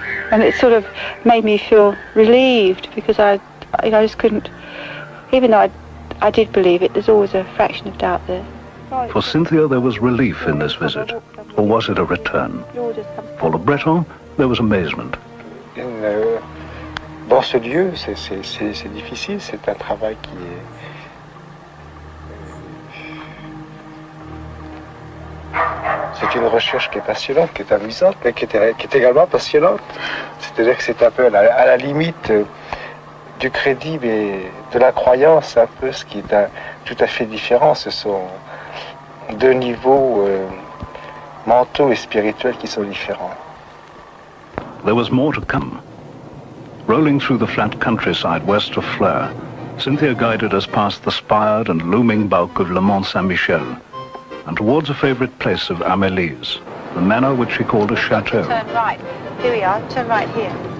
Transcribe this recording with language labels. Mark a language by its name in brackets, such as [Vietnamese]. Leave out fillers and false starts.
[English] And it sort of made me feel relieved, because I just couldn't, even though I did believe it, there's always a fraction of doubt there. For Cynthia, there was relief in this visit, or was it a return? For Le Breton, there was amazement. [French] Dans ce lieu, c'est difficile, c'est un travail qui est... C'est une recherche qui est passionnante, qui est amusante, mais qui est également passionnante. C'est-à-dire que c'est un peu à la limite du crédible et de la croyance, un peu, ce qui est tout à fait différent. Ce sont deux niveaux mentaux et spirituels qui sont différents. [English] There was more to come. Rolling through the flat countryside west of Flers, Cynthia guided us past the spired and looming bulk of Le Mont Saint-Michel and towards a favourite place of Amélie's, the manor which she called a château. Turn right. Here we are. Turn right here.